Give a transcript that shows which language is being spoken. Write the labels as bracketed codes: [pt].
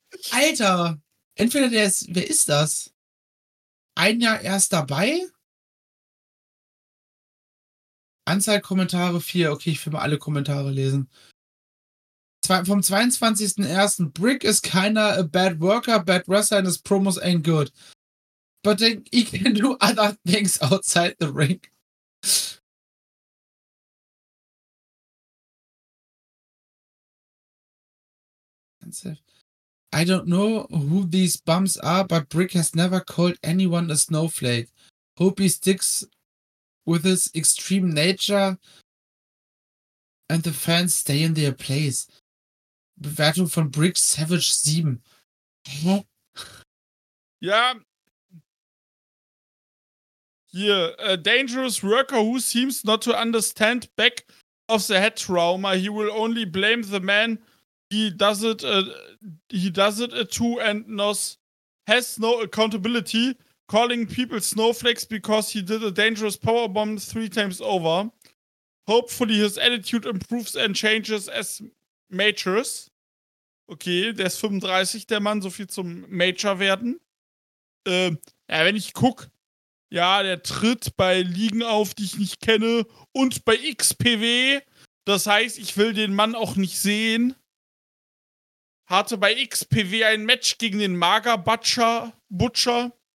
[de] Alter, entweder der ist, wer ist das? Ein Jahr erst dabei? Anzahl Kommentare 4. Okay, ich will mal alle Kommentare lesen. Vom 22.01. [en] Brick is kinda a bad worker, bad wrestler and his promos ain't good. But then he can do other things outside the ring. I don't know who these bums are, but Brick has never called anyone a snowflake. Hope he sticks with his extreme nature and the fans stay in their place. [de] Bewertung von Brick Savage 7. Ja. [en] Hier, a dangerous worker who seems not to understand back of the head trauma. He will only blame the man he does it to and has no accountability, calling people snowflakes because he did a dangerous powerbomb 3 times over. Hopefully his attitude improves and changes as matures. [de] Okay, der ist 35, der Mann, so viel zum Major werden. Ja, wenn ich guck, ja, der tritt bei Ligen auf, die ich nicht kenne, und bei XPW. Das heißt, ich will den Mann auch nicht sehen. Hatte bei XPW ein Match gegen den Mager Butcher.